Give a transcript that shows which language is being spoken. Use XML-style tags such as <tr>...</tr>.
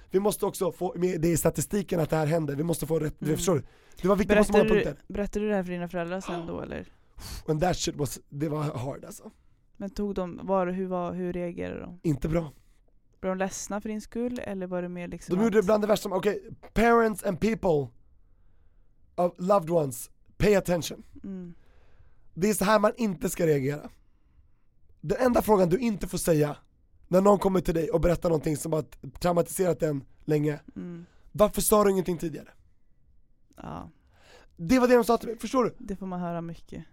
<sv>Vi måste också få med det i statistiken att det här händer. Vi måste få rätt. Mm. Förstår du? Det var viktigt på många punkter. Berättade du det här för dina föräldrar sen då eller?</sv> <en>And that shit was,</en> <sv>det var</sv> <en>hard</en> <sv>alltså. Men tog de, var, hur reagerade de? Inte bra. Var de ledsna för din skull eller var det mer liksom? De gjorde det bland det värsta.</sv> <en>Okej, parents and people of loved ones, pay attention. Mm.</en> <sv>Det är så här man inte ska reagera. Den enda frågan du inte får säga när någon kommer till dig och berättar någonting som har traumatiserat en länge. Mm. Varför sa du ingenting tidigare? Ja. Det var det de sa till mig, förstår du? Det får man höra mycket.</sv>